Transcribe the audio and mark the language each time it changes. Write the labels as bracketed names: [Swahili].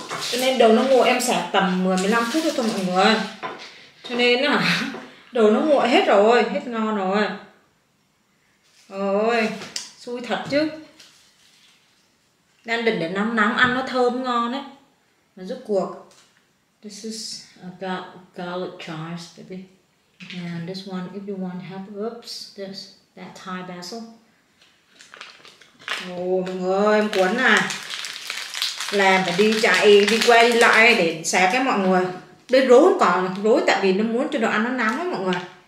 [Vietnamese] Cho nên đồ nó nguội em sạc tầm 10 15 phút thôi mọi người. Cho nên là đồ nó nguội hết rồi, hết ngon rồi. Ôi, xui thật chứ. Đang định để nóng nóng ăn nó thơm ngon đấy. Mà rốt cuộc [English] this is about garlic chives baby. And this one if you want have herbs, this that Thai basil. [Vietnamese] Ôi mọi người, em cuốn à. Làm phải đi chạy, đi quay đi lại để sạc cái mọi người. Đây rối còn, rối tại vì nó muốn cho đồ ăn nó nóng ấy mọi người.